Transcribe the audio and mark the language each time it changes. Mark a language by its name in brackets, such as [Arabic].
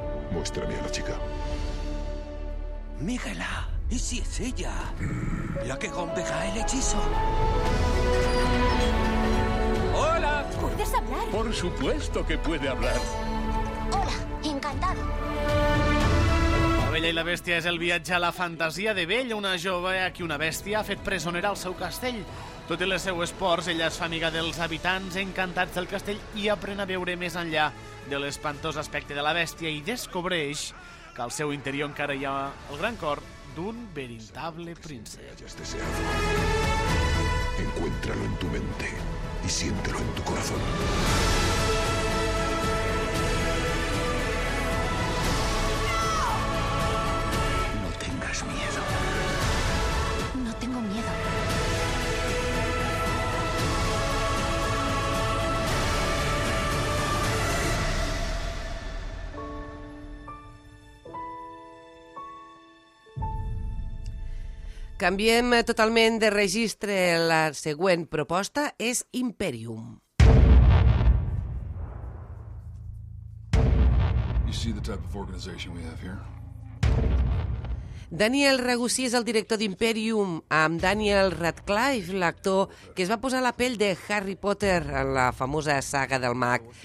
[Spanish] Muéstrame a la chica. Mígela. ¿Y si es ella? La que gombeja el hechizo. ¡Hola! ¿Puedes hablar? Por supuesto que puede hablar. Hola, encantado. [Catalan] La Bella i la Bèstia és el viatge a la fantasia de Bella, una jove a qui una bèstia ha fet presonera al seu castell. Tot i les seues pors, ella es fa amiga dels habitants encantats del castell i aprèn a veure més enllà de l'espantós aspecte de la bèstia i descobreix que al seu interior encara hi ha el gran cor d'un veritable príncep. [Spanish] Encuéntralo en tu mente y siéntelo en tu corazón. [Catalan] Canviem totalment de registre. La següent proposta és Imperium. [English] You see the type of organization we have here? [Catalan] Daniel Ragusí és el director d'Imperium, amb Daniel Radcliffe, l'actor que es va posar la pell de Harry Potter en la famosa saga del mag.